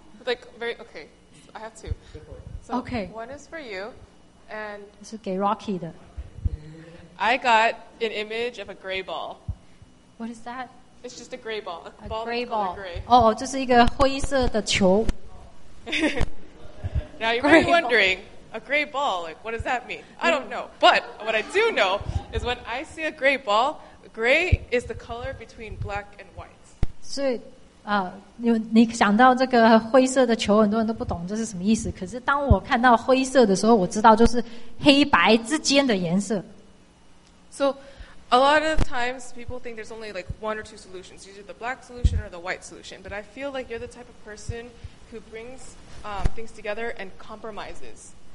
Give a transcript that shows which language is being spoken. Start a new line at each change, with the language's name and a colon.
English: Like very okay. So I have two. So okay. One is for you, and
Chinese: 是给 Rocky 的.
English: I got an image of a gray ball. What is that? It's just a gray ball. A gray ball. Gray.
Chinese: Oh, 这是一个灰色的球.
English: Now you might be wondering, a gray ball, like what does that mean? I don't know. But what I do know is when I see a gray ball, gray is the color between black and white.
Chinese: 所以你想到这个灰色的球，很多人都不懂这是什么意思。可是当我看到灰色的时候，我知道就是黑白之间的颜色。
English: So, a lot of times, people think there's only like one or two solutions, either the black solution or the white solution. But I feel like you're the type of person who brings things together and compromises.